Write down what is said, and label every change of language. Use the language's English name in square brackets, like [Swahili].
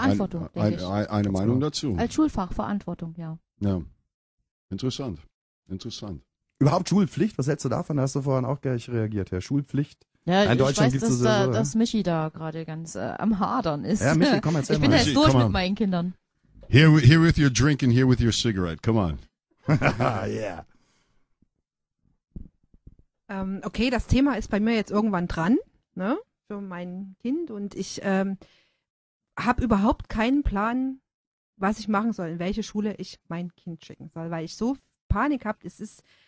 [German] Verantwortung, eine Meinung dazu. Als Schulfach, Verantwortung, ja. Ja, interessant. Überhaupt Schulpflicht, was hältst du davon? Da hast du vorhin auch gleich reagiert, Herr Schulpflicht. Ja, in Deutschland ich weiß, gibt's dass Michi da gerade ganz am Hadern ist. Ja, Michi, komm, erzähl ich mal. Ich bin jetzt durch mit meinen Kindern. [English] Here with your drink and here with your cigarette, come on. Yeah. [German] Okay, das Thema ist bei mir jetzt irgendwann dran, ne, für mein Kind. Und ich habe überhaupt keinen Plan, was ich machen soll, in welche Schule ich mein Kind schicken soll, weil ich so Panik habe, es ist...